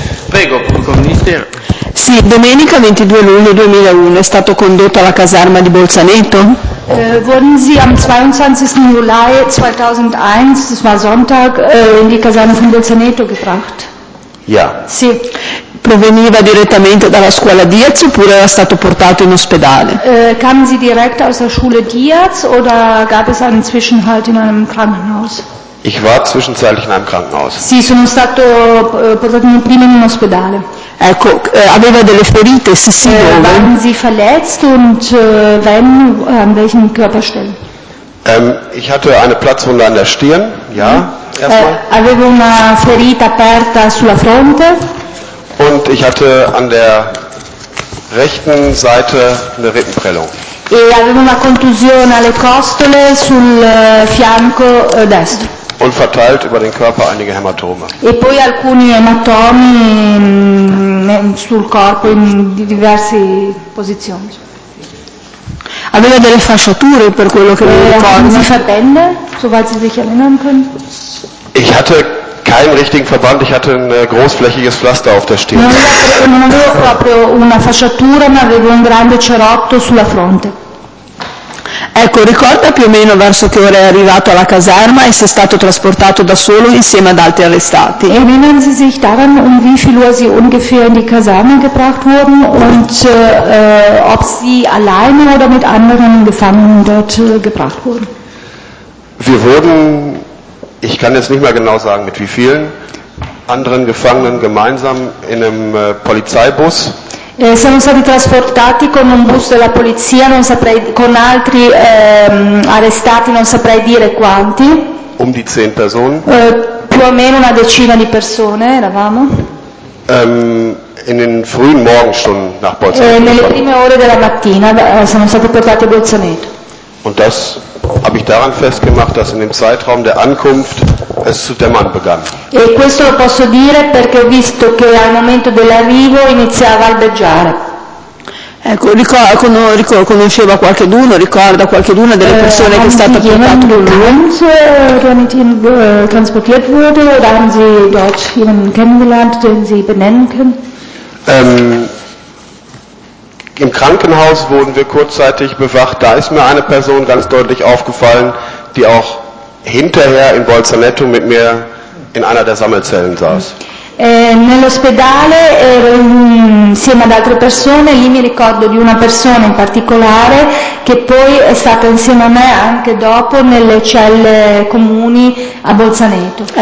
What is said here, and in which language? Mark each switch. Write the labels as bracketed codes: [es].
[it] Prego, pubblico ministero. Sì, domenica 22 luglio 2001 è stato condotto alla caserma di Bolzaneto? [de] Wurden Sie am 22. Juli 2001, das war Sonntag, in die Kaserne von Bolzaneto gebracht? Ja. [it] Sì. Proveniva direttamente dalla scuola Diaz oppure era stato portato in ospedale? [de] Kamen Sie direkt aus der Schule Diaz oder gab es einen Zwischenhalt in einem Krankenhaus? Ich war zwischenzeitlich in einem Krankenhaus. [it] Sì, sono stato portato prima in un ospedale. Ecco, aveva delle ferite, sì, sì. [de] Waren Sie verletzt und wenn, an welchen Körperstellen? Ich hatte eine Platzwunde an der Stirn, ja, [it] Avevo una ferita aperta sulla fronte. [de] Und ich hatte an der rechten Seite eine Rippenprellung. [it] E avevo una contusione alle costole sul fianco destro. [de] Und verteilt über den Körper einige Hämatome. [it] E poi alcuni ematomi sul corpo in diverse posizioni. Aveva delle fasciature per quello che [de] si verbände, soweit Sie sich erinnern können. Ich hatte keinen richtigen Verband, ich hatte ein großflächiges Pflaster auf der Stirn. [it] Non avevo proprio una fasciatura, ma avevo un grande cerotto sulla fronte. Ecco, ricorda più o meno verso che ora è arrivato alla caserma e se è stato trasportato da solo insieme ad altri arrestati. [de] Erinnern Sie sich daran, wie viel Uhr Sie ungefähr in die Kaserne gebracht wurden und ob Sie alleine oder mit anderen Gefangenen dort gebracht wurden? Wir wurden, ich kann jetzt nicht mehr genau sagen, mit wie vielen anderen Gefangenen gemeinsam in einem Polizeibus. [it] Siamo stati trasportati con un bus della polizia, non saprei, con altri arrestati, non saprei dire quanti. [de] Die 10 Personen. [it] Più o meno una decina di persone eravamo. [de] In den frühen Morgenstunden nach Bolzaneto. [it] Nelle prime ore della mattina siamo stati portati a Bolzaneto. [de] Und das habe ich daran festgemacht, dass in dem Zeitraum der Ankunft es zu dämmern begann. [it] E questo lo posso dire perché ho visto che al momento dell'arrivo iniziava a albeggiare. Ecco, conosceva qualcheduno, ricorda qualcheduna delle persone che è stata portata con lui? [de] Transportiert wurde oder haben Sie dort jemanden kennengelernt, den Sie benennen können? Im Krankenhaus wurden wir kurzzeitig bewacht. Da ist mir eine Person ganz deutlich aufgefallen, die auch hinterher in Bolzaneto mit mir in einer der Sammelzellen saß. [it] Nell'ospedale ero insieme ad altre persone. Lì mi ricordo di una persona in particolare che poi è stata insieme a me anche dopo nelle celle comuni a Bolzaneto.